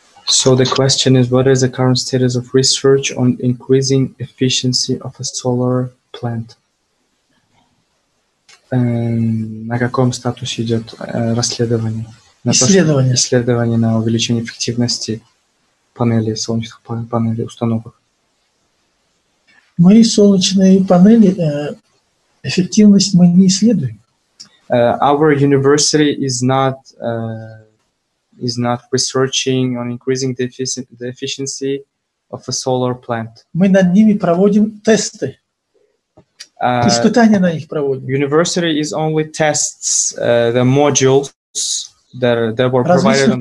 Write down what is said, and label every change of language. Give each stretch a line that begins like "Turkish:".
English: So the question is, what is the current status of research on increasing efficiency of a solar plant?
Russian: На каком статусе идет расследование? Исследование. Исследование на увеличение эффективности панелей, солнечных панелей, установок. Мы солнечные панели, эффективность мы не исследуем.
English: Our university is not... is not researching on increasing the efficiency of a solar plant.
Russian: Мы над ними проводим тесты. Испытания на них проводим.
English: University is only tests the modules that are, that were provided on the